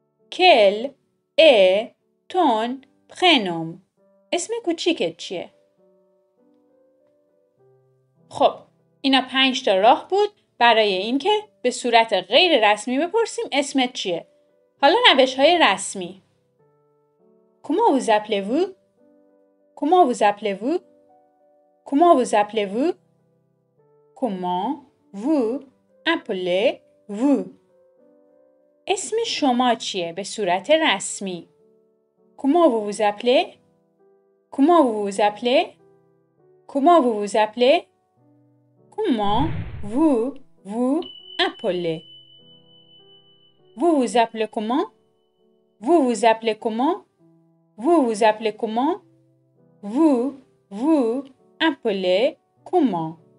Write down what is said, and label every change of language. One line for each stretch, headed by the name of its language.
French: Quel est ton prénom?
Persian: اسم کوچیکت چیه؟ خب، اینا 5 تا راه بود برای اینکه به صورت غیر رسمی بپرسیم اسمت چیه. حالا روش‌های رسمی.
French: Comment vous appelez-vous? Comment vous appelez-vous? Comment vous appelez-vous? Comment vous appelez-vous?
Persian: اسم شما چیه به صورت رسمی؟
French: Comment vous vous appelez? Comment vous vous appelez? Comment vous vous appelez? Comment vous vous appelez? Vous vous appelez comment? Vous vous appelez comment? Vous vous appelez comment? Vous vous appelez comment?